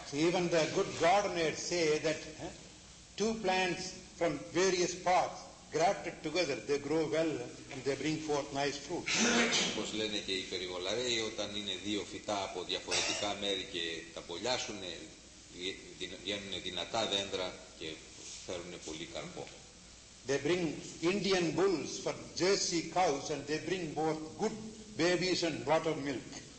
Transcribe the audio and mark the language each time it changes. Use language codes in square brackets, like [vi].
[en] Even the good gardeners say that two plants from various parts grafted together, they grow well and they bring forth nice fruit. [el] Όπως λένε και οι περιβολαρέοι, όταν είναι δύο φυτά από διαφορετικά μέρη και τα πολλιάσουν, βγαίνουν δυνατά δέντρα και φέρουν πολύ καρπό. [en] They bring Indian bulls for Jersey cows and they bring both good babies and lot of milk.